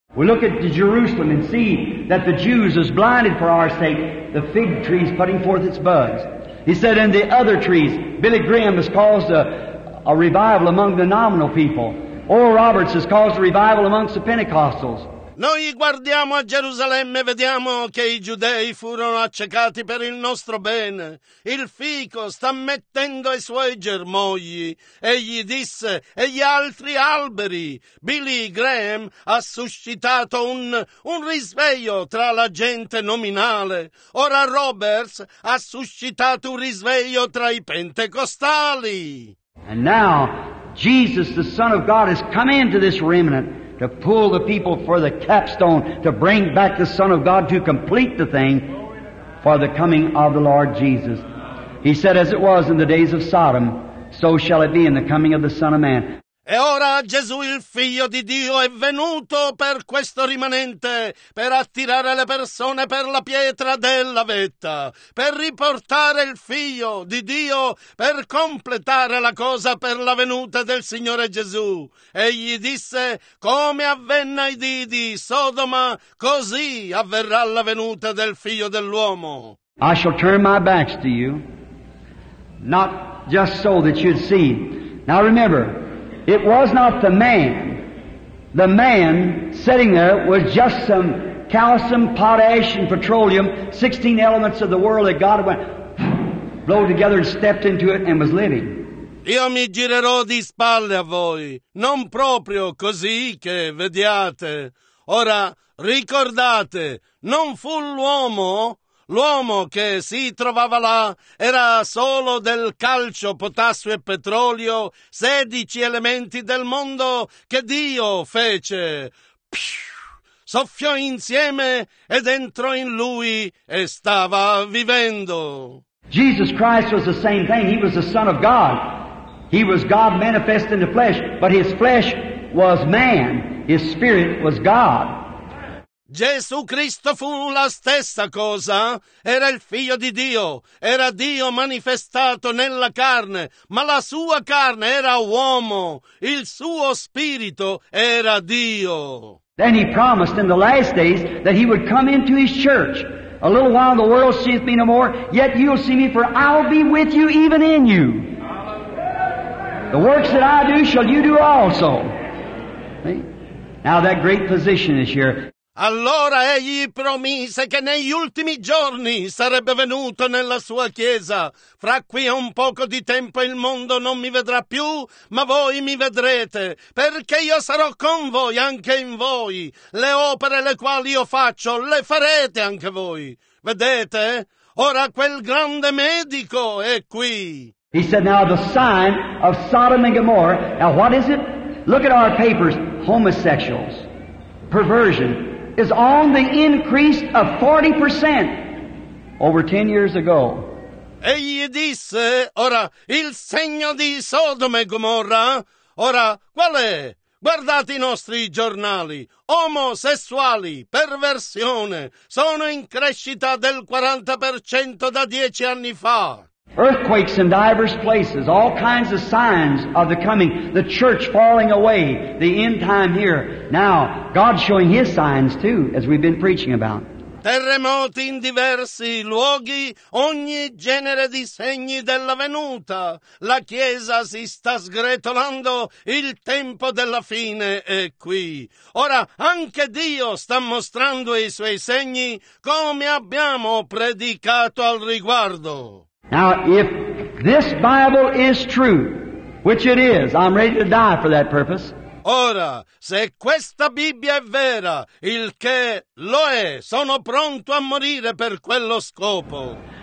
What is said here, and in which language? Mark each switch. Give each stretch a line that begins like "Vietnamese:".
English: We look at Jerusalem and see that the Jews is blinded for our sake, the fig tree is putting forth its buds. He said, and the other trees, Billy Graham has caused a revival among the nominal people. Oral Roberts has caused a revival amongst the Pentecostals.
Italian: Noi guardiamo a Gerusalemme e vediamo che i giudei furono accecati per il nostro bene. Il fico sta mettendo i suoi germogli. Egli disse, e gli altri alberi. Billy Graham ha suscitato un risveglio tra la gente nominale. Ora Roberts ha suscitato un risveglio tra i pentecostali.
English: And now, Jesus, the Son of God, has come into this remnant to pull the people for the capstone, to bring back the Son of God to complete the thing for the coming of the Lord Jesus. He said, as it was in the days of Sodom, so shall it be in the coming of the Son of Man.
Italian: E ora Gesù il Figlio di Dio è venuto per questo rimanente, per attirare le persone per la pietra della vetta, per riportare il Figlio di Dio, per completare la cosa per la venuta del Signore Gesù. Egli disse, come avvenne ai dì di Sodoma, così avverrà la venuta del Figlio dell'uomo.
English: I shall turn my backs to you, not just so that you'd see. Now remember, it was not the man. The man sitting there was just some calcium, potash, and petroleum, 16 elements of the world that God went, blow together and stepped into it and was living.
Italian: Io mi girerò di spalle a voi, non proprio così che vediate. Ora ricordate, non fu l'uomo. L'uomo che si trovava là era solo del calcio, potassio e petrolio, 16 elementi del mondo che Dio fece. Soffiò insieme ed entrò in lui e stava vivendo.
English: Jesus Christ was the same thing. He was the Son of God. He was God manifest in the flesh, but His flesh was man. His spirit was God.
Italian: Gesù Cristo fu la stessa cosa, era il figlio di Dio, era Dio manifestato nella carne, ma la sua carne era uomo, il suo spirito era Dio.
English: Then he promised in the last days that he would come into his church. A little while the world seeth me no more, yet you'll see me, for I'll be with you even in you. The works that I do shall you do also. See? Now that great position is here.
Italian: Allora egli promise che negli ultimi giorni sarebbe venuto nella sua chiesa. Fra qui a un poco di tempo il mondo non mi vedrà più, ma voi mi vedrete, perché io sarò con voi anche in voi. Le opere le quali io faccio le farete anche voi. Vedete? Ora quel grande medico è qui.
English: He said, now the sign of Sodom and Gomorrah. Now what is it? Look at our papers. Homosexuals. Perversion. Is on the increase of 40% over 10 years ago.
Italian: Egli disse, ora, il segno di Sodoma e Gomorra, ora, qual è? Guardate i nostri giornali, omosessuali, perversione, sono in crescita del 40% da 10 anni fa.
English: Earthquakes in diverse places, all kinds of signs of the coming, the church falling away, the end time here. Now, God's showing His signs too, as we've been preaching about.
Italian: Terremoti in diversi luoghi, ogni genere di segni della venuta. La Chiesa si sta sgretolando, il tempo della fine è qui. Ora, anche Dio sta mostrando i Suoi segni, come abbiamo predicato al riguardo.
English: Now, if this Bible is true, which it is, I'm ready to die for that purpose.
Italian: Ora, se questa Bibbia è vera, il che lo è, sono pronto a morire per quello scopo.